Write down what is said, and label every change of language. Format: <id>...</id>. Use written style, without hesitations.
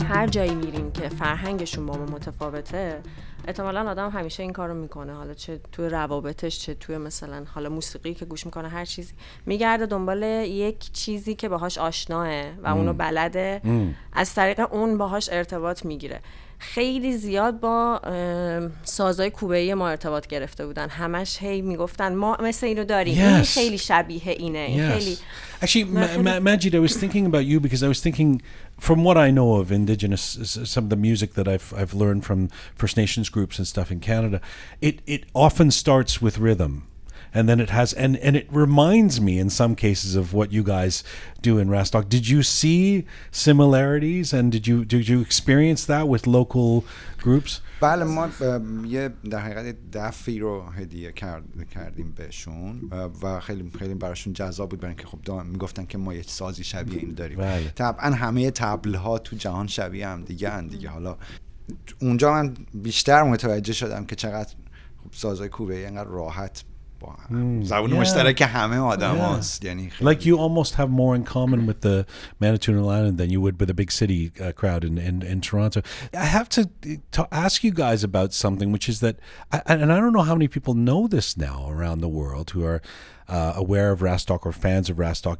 <fa>جایی میریم که فرهنگشون با ما متفاوته احتمالاً آدم همیشه این کارو میکنه، حالا چه توی روابطش، چه توی مثلا حالا موسیقی که گوش میکنه، هر چیزی میگرده دنبال یک چیزی که باهاش آشناه و اونو بلده، از طریق اون باهاش ارتباط میگیره. خیلی زیاد با سازهای کوبه‌ای ما ارتباط گرفته بودن، همش هی میگفتن ما مثل اینو داریم.</fa> <en>Yes.</en> <fa>این خیلی شبیه اینه.</fa> <en>Yes.</en> <fa>خیلی</fa> <en>Actually, Majid, I was thinking about you because I was thinking, from what I know of Indigenous, some of the music that I've learned from First Nations groups and stuff in Canada, it often starts with rhythm, and then it has, and it reminds me in some cases of what you guys do in Rastok. Did you see similarities, and did you experience that with local groups?</en> <fa>بله، ما یه در حقیقت دفی رو هدیه کردیم بهشون و خیلی خیلی براشون جذاب بود، برای اینکه خب میگفتن که ما یه سازی شبیه این داریم. بله. طبعا همه طبل‌ها تو جهان شبیه هم دیگه هم دیگه. حالا اونجا من بیشتر متوجه شدم که چقدر خب سازهای کوبه‌ای انقدر راحت با هم. زبون yeah. مشترک همه آدم yeah. هست. یعنی خیلی.</fa> <en>Like you almost have more in common with the Manitoulin Island than you would with a big city crowd in Toronto. I have to ask you guys about something, which is that, I don't know how many people know this now around the world who are aware of Rastok or fans of Rastok.</en>